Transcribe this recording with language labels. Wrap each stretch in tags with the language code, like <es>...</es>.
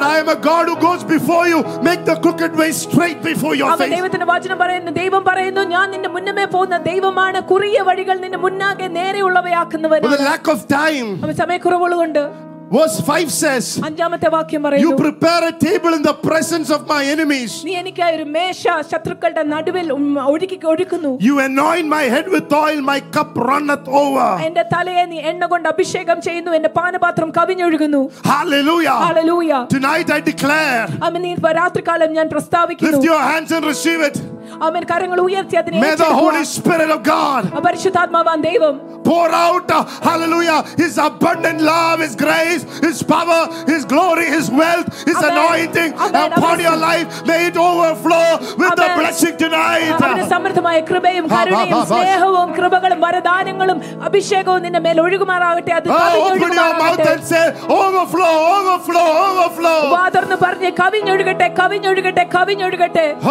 <en>I am a God who goes before you, make the crooked way straight before your face.</en> <ml>ദൈവത്തിന്റെ വചനം പറയുന്നു, ദൈവം പറയുന്നു, ഞാൻ നിന്റെ മുന്നമേ പോകുന്ന ദൈവമാണ്, കുറിയ വഴികൾ നിന്റെ മുന്നാകെ നേരെയുള്ളവയാക്കുന്നവരാണ്.</ml> <en>With the lack of time,</en> <ml>സമയക്കുറവുകൊണ്ട്</ml> <en>Verse 5 says,</en> <ml>അഞ്ചാമത്തെ വാക്യം പറയുന്നു,</ml> <en>You prepare a table in the presence of my enemies.</en> <ml>നീ എനിക്ക് ഒരു മേശ ശത്രുക്കളുടെ നടുവിൽ ഒരുക്കുന്നു.</ml> <en>You anoint my head with oil, my cup runneth over.</en> <ml>എന്റെ തലയെ നീ എണ്ണ കൊണ്ട് അഭിഷേകം ചെയ്യുന്നു, എന്റെ പാനപാത്രം കവിഞ്ഞൊഴുകുന്നു.</ml> <en>Hallelujah. Hallelujah. Tonight I declare.</en> <ml>അമ്മേ, നീ രാത്രികാലം ഞാൻ പ്രസ്താവിക്കുന്നു.</ml> <en>Lift your hands and receive it.</en> <ml>അമ്മേ, കരങ്ങൾ ഉയർത്തി അതിനെ ഏറ്റെടുക്കുക.</ml> <en>May the Holy Spirit of God.</en> <ml>പരിശുദ്ധാത്മാവായ ദൈവം.</ml> <en>Pour out, hallelujah, his abundant love, his grace, his power, his glory, his wealth, his amen. Anointing amen. Upon amen. Your life. May it overflow with amen. The blessing tonight.</en> <ml>അവൻ സമൃദ്ധമായ കൃപയും കരുണയും സ്നേഹവും കൃപകളും വരദാനങ്ങളും അഭിഷേകവും നിന്റെ മേൽ ഒഴുകുമാറാകട്ടെ. അത് കവിഞ്ഞൊഴുകട്ടെ.</ml> <en>Overflow, overflow, overflow.</en> <ml>വാദർന്ന് പറഞ്ഞു, കവിഞ്ഞൊഴുകട്ടെ, കവിഞ്ഞൊഴുകട്ടെ, കവിഞ്ഞൊഴുകട്ടെ.</ml>